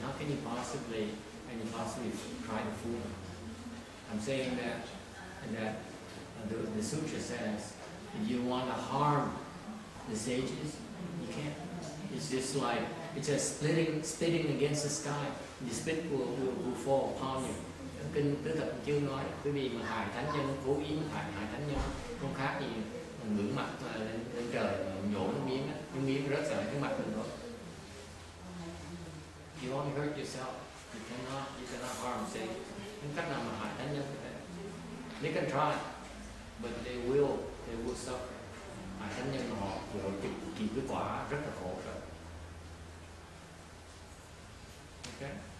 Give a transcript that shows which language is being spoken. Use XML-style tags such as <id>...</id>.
<en>How can you possibly try to fool them? I'm saying that the sutra says if you want to harm the sages, you can't. It's just like it's just spitting against the sky. The spit will fall upon you.</en> <vi>Kinh Tứ Thập Chư nói, quý vị mà hại thánh nhân, cố ý hại hại thánh nhân, không khác gì ngưỡng mặt lên trời nhổ nước miếng rớt sợi cái mặt mình thôi.</vi> <en>You only hurt yourself, you cannot harm say.</en> <vi>Không cách nào mà hại thánh nhân.</vi> <en>They can try, but they will suffer.</en> <vi>Hại thánh nhân họ rồi chịu cái quả rất là khổ rồi. Okay.</vi>